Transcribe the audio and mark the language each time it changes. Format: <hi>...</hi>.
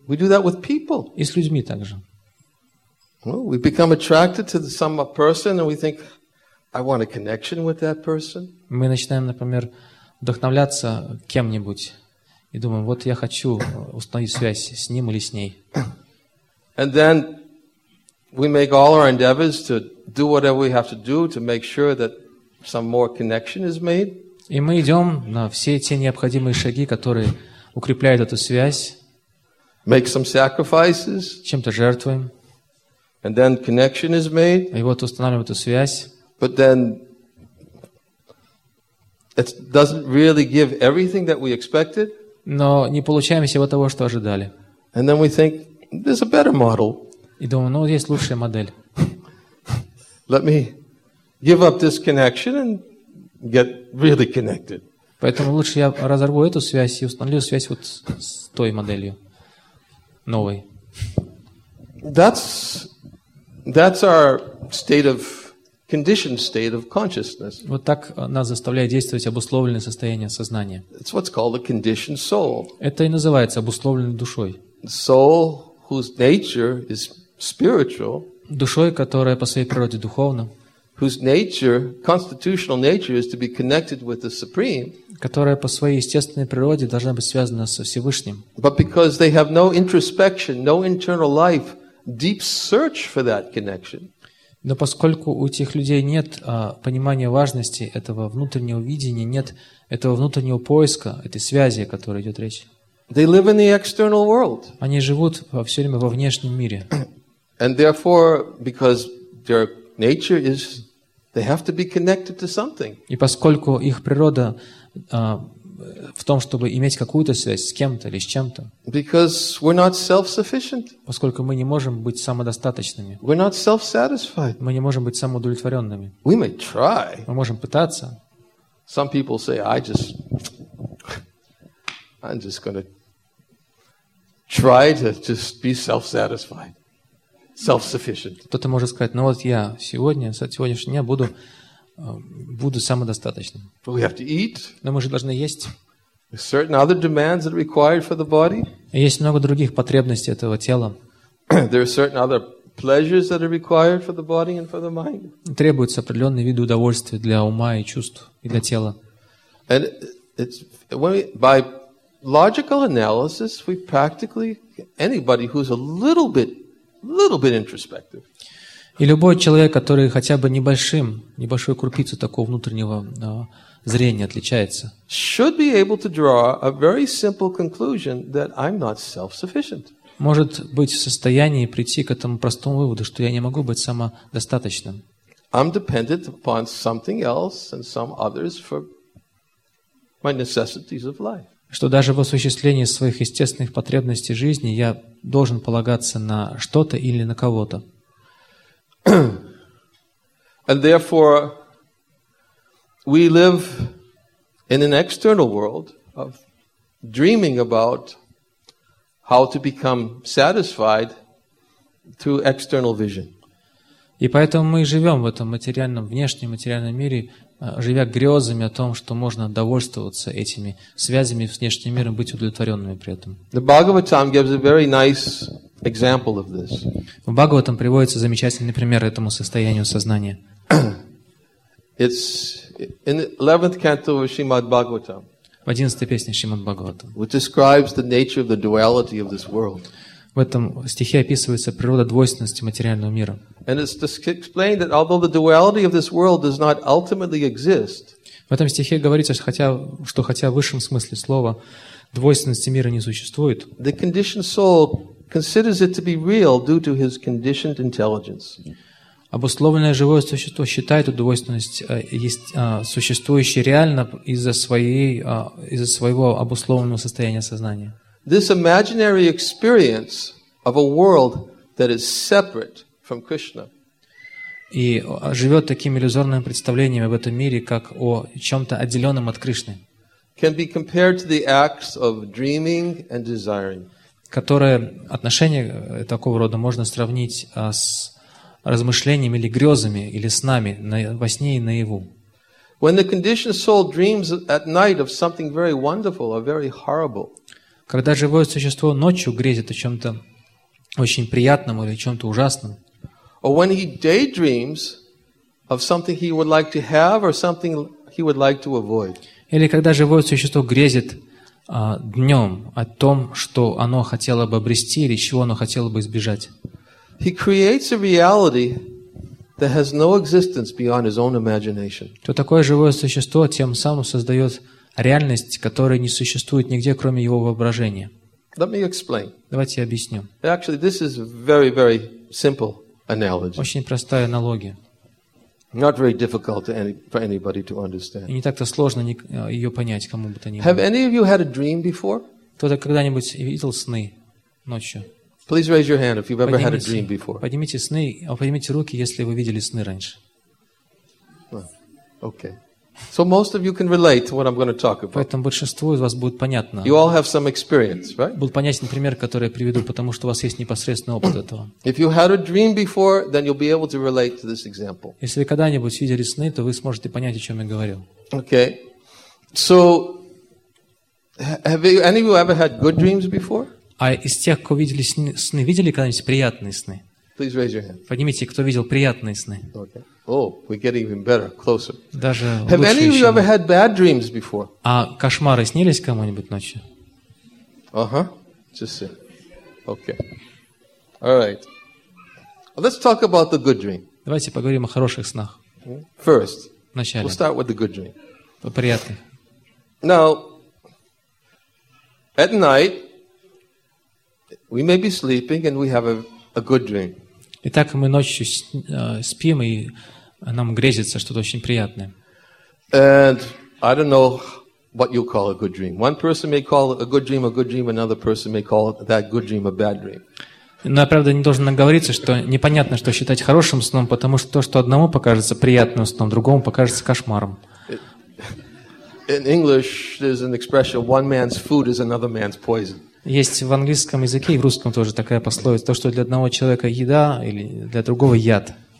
<en>We do that with people.</en> <ru>И с людьми также.</ru> <en>Well, we become attracted to some person and we think, I want a connection with that person.</en> <ru>Мы начинаем, например, вдохновляться кем-нибудь и думаем, вот я хочу установить связь с ним или с ней.</ru> <en>And then we make all our endeavors to do whatever we have to do to make sure that some more connection is made.</en> <ru>И мы идем на все те необходимые шаги, которые укрепляют эту связь.</ru> <en>Make some sacrifices.</en> <ru>Чем-то жертвуем.</ru> <en>And then connection is made.</en> <ru>И вот устанавливаем эту связь.</ru> <en>But then it doesn't really give everything that we expected.</en> <ru>Но не получаем всего того, что ожидали.</ru> <en>And then we think there's a better model.</en> <ru>И думаю, ну есть лучшая модель.</ru> <en>Let me give up this connection and get really connected.</en> <ru>Поэтому лучше я разорву эту связь и установлю связь вот с той моделью новой.</ru> <en>That's our state of conditioned state of consciousness.</en> <ru>Вот так нас заставляет действовать обусловленное состояние сознания.</ru> <en>It's what's called a conditioned soul.</en> <ru>Это и называется обусловленной душой.</ru> <en>Soul whose nature is spiritual.</en> <ru>Душой, которая по своей природе духовна.</ru> <en>Whose nature, constitutional nature, is to be connected with the supreme.</en> <ru>Которая по своей естественной природе должна быть связана со Всевышним.</ru> <en>But because they have no introspection, no internal life, deep search for that connection.</en> <ru>Но поскольку у этих людей нет понимания важности этого внутреннего видения, нет этого внутреннего поиска, этой связи, о которой идет речь.</ru> <en>They live in the external world.</en> <ru>Они живут все время во внешнем мире.</ru> <en>And therefore, because their nature is, they have to be connected to something.</en> <ru>И поскольку их природа в том, чтобы иметь какую-то связь с кем-то или с чем-то.</ru> <en>Because we're not self-sufficient.</en> <ru>Поскольку мы не можем быть самодостаточными.</ru> <en>We're not self-satisfied.</en> <ru>Мы не можем быть самоудовлетворенными.</ru> <en>We may try.</en> <ru>Мы можем пытаться.</ru> <en>Some people say, I'm just going to try to just be self-satisfied, self-sufficient.</en> <ru>Кто-то может сказать, ну вот я сегодня, с сегодняшнего дня буду самодостаточным.</ru> <en>But we have to eat.</en> <ru>Но мы же должны есть.</ru> <en>There's certain other demands that are required for the body.</en> <ru>Есть много других потребностей этого тела.</ru> <en>There are certain other pleasures that are required for the body and for the mind.</en> <ru>Требуются определенные виды удовольствия для ума и чувств и для тела.</ru> <en>And it's when by logical analysis we practically anybody who's a little bit introspective.</en> <ru>И любой человек, который хотя бы небольшой крупицей такого внутреннего зрения отличается,</ru> <en>should be able to draw a very simple conclusion that I'm not self-sufficient.</en> <ru>Может быть в состоянии прийти к этому простому выводу, что я не могу быть самодостаточным.</ru> <en>I'm dependent upon something else and some others for my necessities of life.</en> <ru>Что даже в осуществлении своих естественных потребностей жизни я должен полагаться на что-то или на кого-то.</ru> <en>And therefore, we live in an external world of dreaming about how to become satisfied through external vision.</en> <ru>И поэтому мы живем в этом материальном, внешнем материальном мире, живя грезами о том, что можно довольствоваться этими связями с внешним миром, быть удовлетворенными при этом.</ru> <en>The Bhagavatam gives a very nice example of this.</en> <ru>В Бхагаватам приводится замечательный пример этому состоянию сознания.</ru> <en>It's in the 11th canto of Shrimad Bhagavatam.</en> <ru>В 11-й песне Шримад Бхагаватам.</ru> <en>Which describes the nature of the duality of this world.</en> <ru>В этом стихе описывается природа двойственности материального мира.</ru> <en>And it's explained that although the duality of this world does not ultimately exist.</en> <ru>В этом стихе говорится, что хотя в высшем смысле слова двойственности мира не существует.</ru> <en>The conditioned soul considers it to be real due to his conditioned intelligence.</en> <ru>Обусловленное живое существо считает эту двойственность существующей реально из-за своего обусловленного состояния сознания.</ru> <en>This imaginary experience of a world that is separate from Krishna.</en> <ru>И живет таким иллюзорным представлением об этом мире, как о чем-то отделенном от Кришны.</ru> <en>Can be compared to the acts of dreaming and desiring.</en> <ru>Которое отношение такого рода можно сравнить с размышлениями или грезами, или снами, во сне и наяву.</ru> <en>When the conditioned soul dreams at night of something very wonderful or very horrible.</en> <ru>Когда живое существо ночью грезит о чем-то очень приятном или чем-то ужасном.</ru> <en>or when he daydreams of something he would like to have or something he would like to avoid.</en> <ru>Или когда живое существо грезит днем о том, что оно хотело бы обрести или чего оно хотело бы избежать.</ru> <en>He creates a reality that has no existence beyond his own imagination.</en> <ru>То такое живое существо тем самым создает реальность, которая не существует нигде, кроме его воображения.</ru> <en>Let me explain.</en> <ru>Давайте я объясню.</ru> <en>Actually, this is very, very simple analogy.</en> <ru>Очень простая аналогия.</ru> <en>Not very difficult for anybody to understand.</en> <ru>И не так-то сложно ее понять кому бы то ни было.</ru> <en>Have any of you had a dream before?</en> <ru>Кто-то когда-нибудь видел сны ночью?</ru> <en>Please raise your hand if you've ever had a dream before.</en> <ru>Поднимите руки, если вы видели сны раньше.</ru> <en>Okay. So most of you can relate to what I'm going to talk about.</en> <ru>Поэтому большинству из вас будет понятно.</ru> <en>You all have some experience, right?</en> <ru>Будет понятен пример, который я приведу, потому что у вас есть непосредственный опыт этого.</ru> <en>If you had a dream before, then you'll be able to relate to this example.</en> <ru>Если вы когда-нибудь видели сны, то вы сможете понять, о чем я говорил.</ru> <en>Okay. So have any of you ever had good dreams before?</en> <ru>А из тех, кто видел сны, видели когда-нибудь приятные сны?</ru> <en>Please raise your hand.</en> <ru>Поднимите, кто видел приятные сны.</ru> <en>Okay. Oh, we're getting even better, closer.</en> <ru>Даже лучше.</ru> <en>Have any of you ever had bad dreams before?</en> <ru>А кошмары снились кому-нибудь ночью?</ru> <en>Uh-huh. Just see. Okay. All right. Let's talk about the good dream.</en> <ru>Давайте поговорим о хороших снах.</ru> <en>First.</en> <ru>Вначале.</ru> <en>We'll start with the good dream.</en> <ru>О приятных.</ru> <en>Now, at night, we may be sleeping and we have a good dream.</en> <ru>Итак, мы ночью спим, и нам грезится что-то очень приятное.</ru> <en>And I don't know what you call a good dream. One person may call it a good dream, another person may call it that good dream a bad dream.</en> <ru>Но, правда, не должен оговориться, что непонятно, что считать хорошим сном, потому что то, что одному покажется приятным сном, другому покажется кошмаром.</ru> <en>In English, there's an expression, one man's food is another man's poison.</en> <ru>Есть в английском языке и в русском тоже такая пословица, то, что для одного человека еда или для другого яд.</ru>